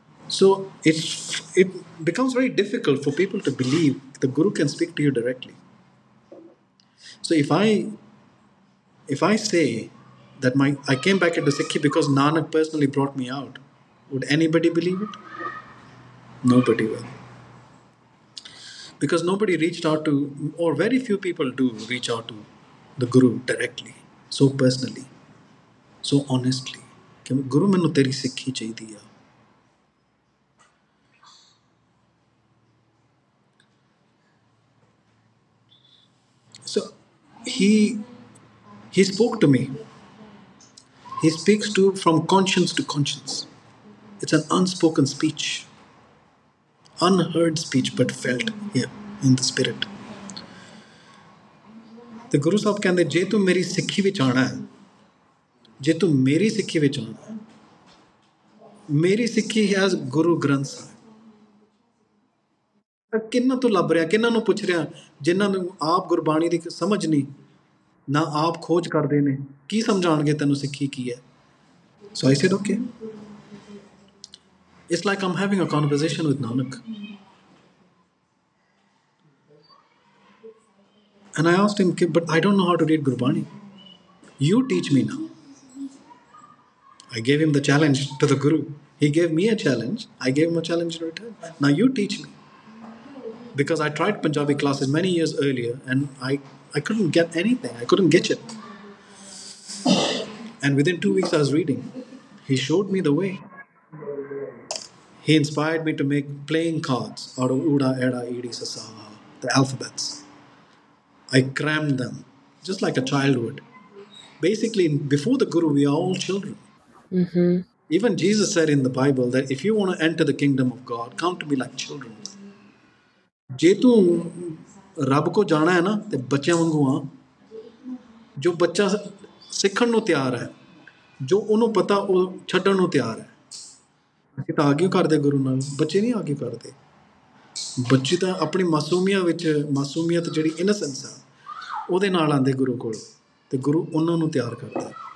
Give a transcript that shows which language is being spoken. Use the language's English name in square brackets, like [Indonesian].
[English] So it's it becomes very difficult for people to believe the guru can speak to you directly. So if I say that my I came back it to Sikhi because Nanak personally brought me out, would anybody believe it? Nobody will. Because nobody reached out to, or very few people do reach out to the Guru directly, so personally, so honestly. [Punjabi] Guru, mainu teri sikhi chahidi hai. [English] he spoke to me. He speaks to from conscience to conscience. It's an unspoken speech. Unheard speech, but felt here in the spirit. The Guru Sahib said, if you come to my Sikhi, if you come to my Sikhi, my Sikhi has Guru Granth Sahib. [Punjabi] ਕਿੰਨਾ ਤੋਂ ਲੱਭ ਰਿਹਾ, ਕਿੰਨਾ ਨੂੰ ਪੁੱਛ ਰਿਹਾ ਜਿਨ੍ਹਾਂ ਨੂੰ ਆਪ ਗੁਰਬਾਣੀ ਦੀ ਸਮਝ ਨਹੀਂ, ਨਾ ਆਪ ਖੋਜ ਕਰਦੇ ਨੇ, ਕੀ ਸਮਝਾਉਣਗੇ ਤੈਨੂੰ ਸਿੱਖੀ ਕੀ ਹੈ? [English] So I said okay, it's like I'm having a conversation with Nanak, and I asked him ਕਿ but I don't know how to read Gurbani, you teach me now. I gave him the challenge to the guru, he gave me a challenge, I gave him a challenge in return, now you teach me. Because I tried Punjabi classes many years earlier and I couldn't get anything. I couldn't get it. And within 2 weeks I was reading. He showed me the way. He inspired me to make playing cards out of Uda, Eda, Edi, Sasa, the alphabets. I crammed them just like a child would. Basically, before the Guru, we are all children. Mm-hmm. Even Jesus said in the Bible that if you want to enter the kingdom of God, come to me like children. [Punjabi] ਜੇ ਤੂੰ ਰੱਬ ਕੋ ਜਾਣਾ ਹੈ ਨਾ ਤਾਂ ਬੱਚਿਆਂ ਵਾਂਗੂ ਹਾਂ, ਜੋ ਬੱਚਾ ਸਿੱਖਣ ਨੂੰ ਤਿਆਰ ਹੈ, ਜੋ ਉਹਨੂੰ ਪਤਾ ਉਹ ਛੱਡਣ ਨੂੰ ਤਿਆਰ ਹੈ. ਅਸੀਂ ਤਾਂ ਆਗਿਓ ਕਰਦੇ ਗੁਰੂ ਨਾਲ, ਬੱਚੇ ਨਹੀਂ ਆਗਿਓ ਕਰਦੇ. ਬੱਚੇ ਤਾਂ ਆਪਣੀ ਮਾਸੂਮੀਆਂ ਵਿੱਚ, ਮਾਸੂਮੀਅਤ ਜਿਹੜੀ ਇਨਸੈਂਸ ਆ, ਉਹਦੇ ਨਾਲ ਆਉਂਦੇ ਗੁਰੂ ਕੋਲ ਅਤੇ ਗੁਰੂ ਉਹਨਾਂ ਨੂੰ ਤਿਆਰ ਕਰਦਾ.